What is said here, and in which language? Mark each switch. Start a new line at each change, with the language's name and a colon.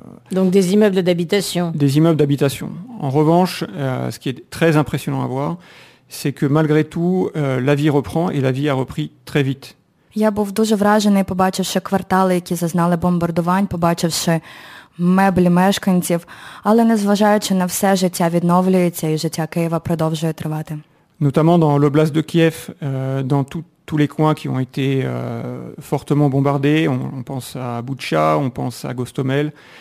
French: Donc des immeubles d'habitation. Des immeubles d'habitation. En revanche, ce qui est très impressionnant à voir, c'est que malgré tout, la vie reprend et la vie a repris très vite.
Ukrainian: Я був дуже вражений, побачивши квартали, які зазнали бомбардувань, побачивши меблі мешканців, але незважаючи на все, життя відновлюється і життя Києва продовжує тривати.
French: Notamment dans l'oblast de Kiev, dans tous les coins qui ont été fortement bombardés, on pense à Boutcha, on pense à Gostomel.